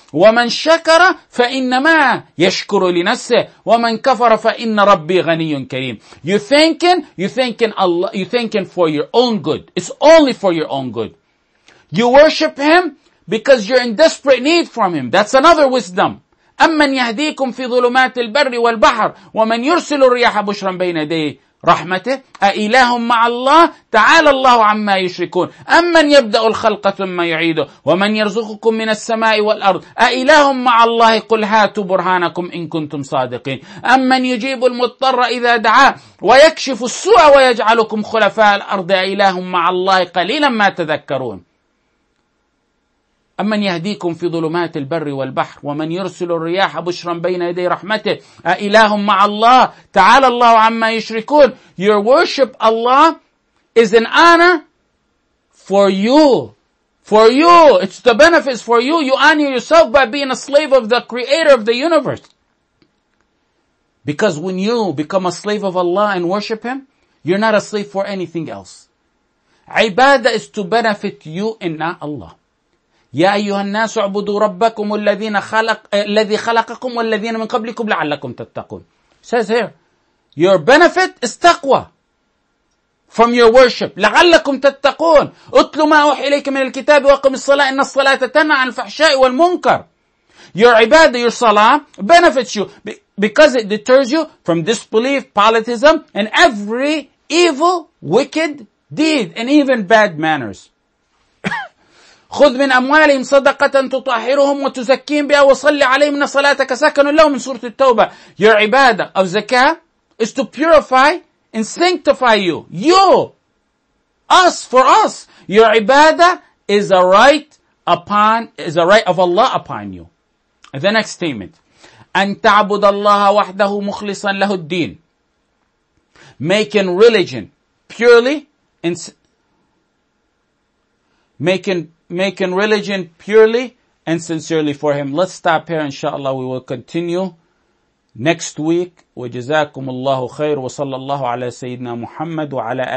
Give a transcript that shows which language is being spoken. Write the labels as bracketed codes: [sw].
[ar] وَمَنْ شَكَرَ فَإِنَّمَا يَشْكُرُ لِنَفْسِهِ وَمَنْ كَفَرَ فَإِنَّ رَبِّي غَنِيٌّ كَرِيمٌ. [en] You're thanking for your own good. It's only for your own good. You worship Him because you're in desperate need from Him. That's another wisdom. [ar] أَمَّنْ يَهْدِيكُمْ فِي ظُلُمَاتِ الْبَرِّ وَالْبَحْرِ وَمَنْ يُرْسِلُ الرِّيَاحَ بُشْرًا بَيْنَ يَدَيْ رحمته أإله مع الله تعالى الله عما يشركون أمن يبدأ الخلق ثم يعيده ومن يرزقكم من السماء والأرض أإله مع الله قل هاتوا برهانكم إن كنتم صادقين أمن يجيب المضطر إذا دعاه ويكشف السوء ويجعلكم خلفاء الأرض أإله مع الله قليلا ما تذكرون أمن يهديكم في ظلمات البر والبحر ومن يرسل الرياح بشرا بين يدي رحمته أإله مع الله تعالى الله عما يشركون. [en] Your worship Allah is an honor for you. For you. It's the benefits for you. You honor yourself by being a slave of the creator of the universe. Because when you become a slave of Allah and worship Him, you're not a slave for anything else. Ibadah is to benefit you and not Allah. [ar] يا أيها الناس اعبدوا ربكم الذي خلقكم والذين من قبلكم لعلكم تتقون. [en] Says here, your benefit is taqwa from your worship. [ar] لعلكم تتقون. اتلوا ما أوحي إليك من الكتاب وأقم الصلاة إن الصلاة تنهى عن الفحشاء والمنكر. [en] Your ibadah, your salah benefits you because it deters you from disbelief, polytheism, and every evil, wicked deed and even bad manners. [ar] خذ من أموالهم صدقة تطهرهم وتزكيهم بها وصلي عليهم إن صلاتك سكن لهم من سورة التوبة. [en] Your ibadah of zakah is to purify and sanctify you. You. Us. For us. Your ibadah is a right upon, is a right of Allah upon you. The next statement. [ar] أن تعبد الله وحده مخلصا له الدين. [en] Making religion purely and making religion purely and sincerely for Him. Let's stop here, inshallah. We will continue next week. [ar] وجزاكم الله خير وصلى الله على سيدنا محمد وعلى آله.